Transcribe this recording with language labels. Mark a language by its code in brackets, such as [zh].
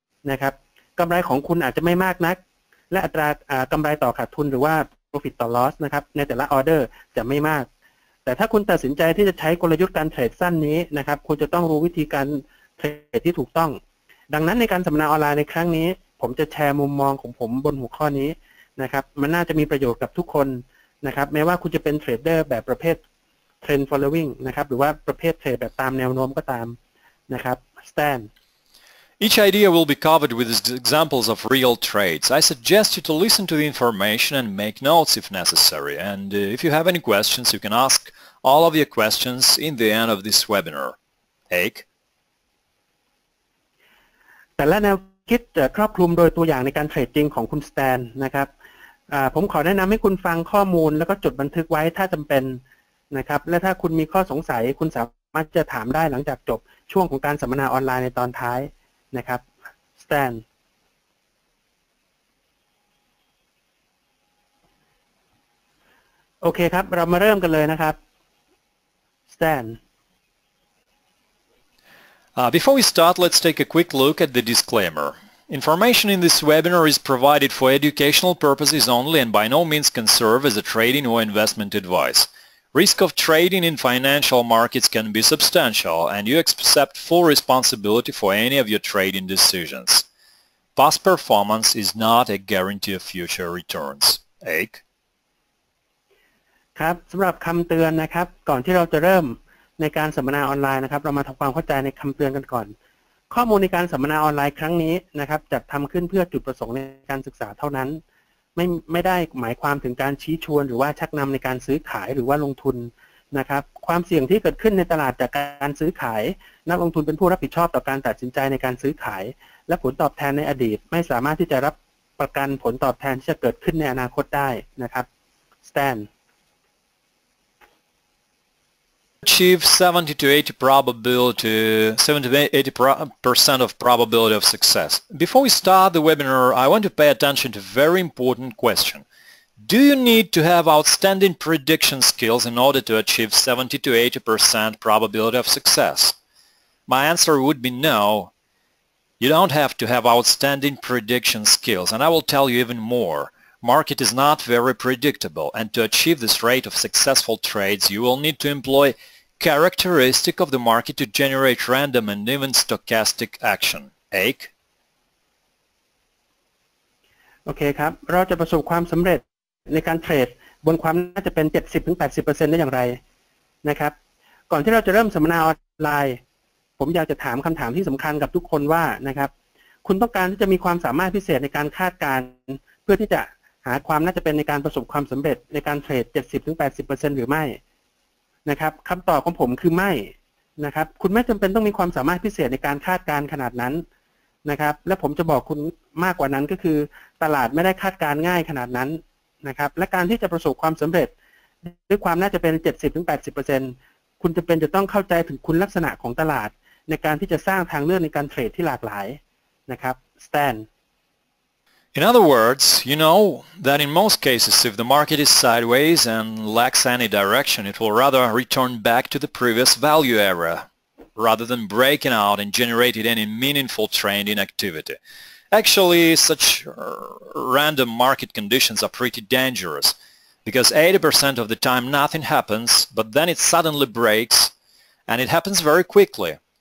[th] นะครับกำไรของคุณอาจจะไม่มากนักและอัตรากำไรต่อขาดทุนหรือว่า profit ต่อ loss นะครับในแต่ละออเดอร์จะไม่มากแต่ถ้าคุณตัดสินใจที่จะใช้กลยุทธ์การเทรดสั้นนี้นะครับคุณจะต้องรู้วิธีการเทรดที่ถูกต้องดังนั้นในการสัมมนาออนไลน์ในครั้งนี้ผมจะแชร์มุมมองของผมบนหัวข้อนี้นะครับมันน่าจะมีประโยชน์กับทุกคนนะครับแม้ว่าคุณจะเป็นเทรดเดอร์แบบประเภท trend following นะครับหรือว่าประเภทเทรดแบบตามแนวโน้มก็ตามนะครับ Stan [en] Each idea will be covered with examples of real trades. I suggest you to listen to the information and make notes if necessary. And if you have any questions, you can ask all of your questions in the end of this webinar. Eik? [th] แต่และแนวคิดครอบคลุมโดยตัวอย่างในการเทรดจริงของคุณสแตนนะครับผมขอแนะนำให้คุณฟังข้อมูลแล้วก็จดบันทึกไว้ถ้าจำเป็นนะครับและถ้าคุณมีข้อสงสัยคุณสามารถจะถามได้หลังจากจบช่วงของการสัมมนาออนไลน์ในตอนท้ายนะครับสแตนโอเคครับเรามาเริ่มกันเลยนะครับสแตน [en] Before we start, let's take a quick look at the disclaimer. Information in this webinar is provided for educational purposes only and by no means can serve as a trading or investment advice. Risk of trading in financial markets can be substantial and you accept full responsibility for any of your trading decisions. Past performance is not a guarantee of future returns. Eik? [th] ครับ สำหรับคำเตือนนะครับ ก่อนที่เราจะเริ่มในการสัมมนาออนไลน์นะครับเรามาทำความเข้าใจในคำเตือนกันก่อนข้อมูลในการสัมมนาออนไลน์ครั้งนี้นะครับจัดทำขึ้นเพื่อจุดประสงค์ในการศึกษาเท่านั้นไม่ได้หมายความถึงการชี้ชวนหรือว่าชักนำในการซื้อขายหรือว่าลงทุนนะครับความเสี่ยงที่เกิดขึ้นในตลาดจากการซื้อขายนักลงทุนเป็นผู้รับผิดชอบต่อการตัดสินใจในการซื้อขายและผลตอบแทนในอดีตไม่สามารถที่จะรับประกันผลตอบแทนที่จะเกิดขึ้นในอนาคตได้นะครับสแตน [en] Achieve 70 to 80% of probability of success. Before we start the webinar, I want to pay attention to a very important question. Do you need to have outstanding prediction skills in order to achieve 70-80% probability of success? My answer would be no. You don't have to have outstanding prediction skills, and I will tell you even more. Market is not very predictable, and to achieve this rate of successful trades, you will need to employ characteristic of the market to generate random and even stochastic action. Ake? [th] Okay, ครับ เราจะประสบความสำเร็จ ในการเทรดบนความน่าจะเป็น 70-80% ได้อย่างไรนะครับ ก่อนที่เราจะเริ่มสัมมนาออนไลน์ ผมอยากจะถามคำถามที่สำคัญกับทุกคนว่านะครับ คุณต้องการที่จะมีความสามารถพิเศษในการคาดการณ์เพื่อที่จะหาความน่าจะเป็นในการประสบความสำเร็จในการเทรด 70-80% หรือไม่ นะครับ คำตอบของผมคือไม่นะครับ คุณไม่จำเป็นต้องมีความสามารถพิเศษในการคาดการณ์ขนาดนั้นนะครับ และผมจะบอกคุณมากกว่านั้นก็คือตลาดไม่ได้คาดการณ์ง่ายขนาดนั้น นะครับและการที่จะประสบความสำเร็จด้วยความน่าจะเป็น 70-80% คุณจำเป็นจะต้องเข้าใจถึงคุณลักษณะของตลาดในการที่จะสร้างทางเลือกในการเทรดที่หลากหลายนะครับ Stan [en] In other words, you know that in most cases if the market is sideways and lacks any direction, it will rather return back to the previous value area rather than breaking out and generating any meaningful trading activity. Actually, such random market conditions are pretty dangerous because 80% of the time nothing happens, but then it suddenly breaks and it happens very quickly.